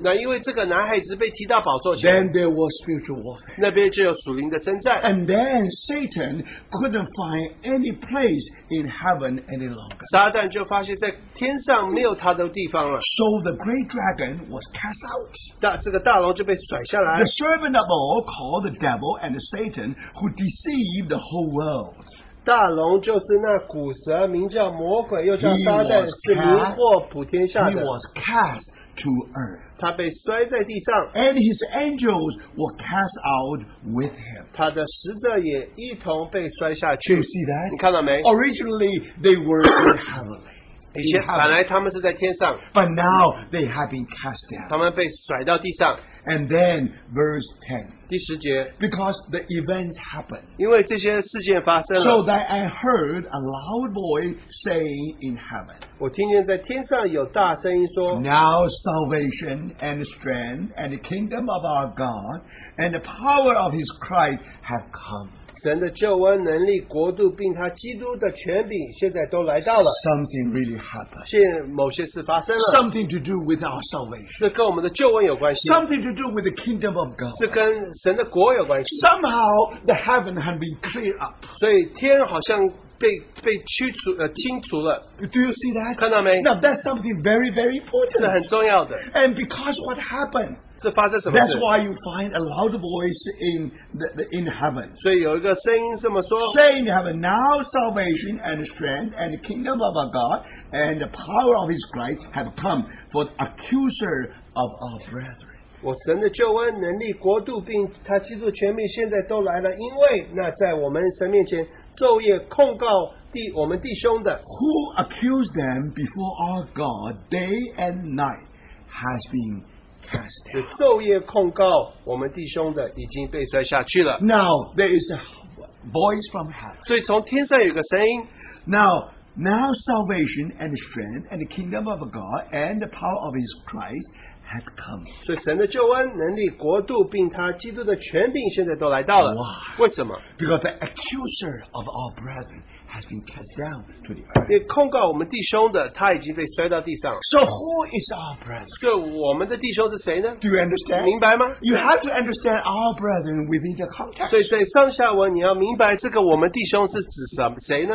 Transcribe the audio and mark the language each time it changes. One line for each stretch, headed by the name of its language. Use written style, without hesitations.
Chinese: 那因为这个男孩子被提到宝座前。
English: Then there was spiritual war.
Chinese: 那边就有属灵的征战。
English: And then Satan couldn't find any place in heaven any longer.
Chinese: 撒旦就发现在天上没有他的地方了。
English: So the great dragon was cast out.
Chinese: 这个大龙就被甩下来。
English: The servant of all called the devil and Satan who deceived the whole world.
Chinese: 大龙就是那古蛇名叫魔鬼又叫撒旦是迷惑普天下的。
English: He was cast to earth.
Chinese: 他被摔在地上。
English: And his angels were cast out with him.
Chinese: 他的使者也一同被摔下去。
English: You see that?
Chinese: 你看到没?
English: Originally, they were in heaven.
Chinese: 以前本来他们是在天上。
English: But now, they have been cast down.
Chinese: 他们被甩到地上。
English: And then, verse 10.
Chinese: 第十节。
English: Because the events happened.
Chinese: 因为这些事件发生了。
English: So that I heard a loud voice saying in heaven.
Chinese: 我听见在天上有大声音说。
English: Now salvation and strength and the kingdom of our God and the power of his Christ have come.
Chinese: 神的救恩能力国度并他基督的权柄现在都来到了。
English: Something really happened.
Chinese: 现在某些事发生了。
English: Something to do with our salvation.
Chinese: 这跟我们的救恩有关系。
English: Something to do with the kingdom of God.
Chinese: 这跟神的国有关系。
English: Somehow the heaven had been cleared up.
Chinese: 所以天好像被驱除清除了。
English: Do you see that?
Chinese: 看到没?
English: Now that's something very, very important.
Chinese: 这很重要的。
English: And because what happened?
Chinese: 这发生什么事?
English: That's why you find a loud voice in heaven.
Chinese: 所以有一个声音这么说。
English: Say in heaven, now salvation and strength and the kingdom of our God and the power of his Christ have come for the accuser of our brethren.
Chinese: 我神的救恩能力国度并他基督权柄现在都来了因为那在我们神面前昼夜控告我们弟兄的。
English: Who accused them before our God day and night has been
Chinese: 昼夜控告我们弟兄的已经被摔下去了。
English: Now there is a voice from heaven.
Chinese: 所以从天上有个声音。
English: Now salvation and strength and the kingdom of God and the power of his Christ had come.
Chinese: 所以神的救恩能力国度并他基督的权柄现在都来到了。
English: Why?
Chinese: 为什么?
English: Because the accuser of our brethren has been cast down to the earth.
Chinese: 也控告我们弟兄的他已经被摔到地上。
English: So who is our brethren?
Chinese: 所以我们的弟兄是谁呢?
English: Do you understand?
Chinese: 明白吗?
English: You have to understand our brethren within the context.
Chinese: 所以在上下文你要明白这个我们弟兄是指什么谁呢?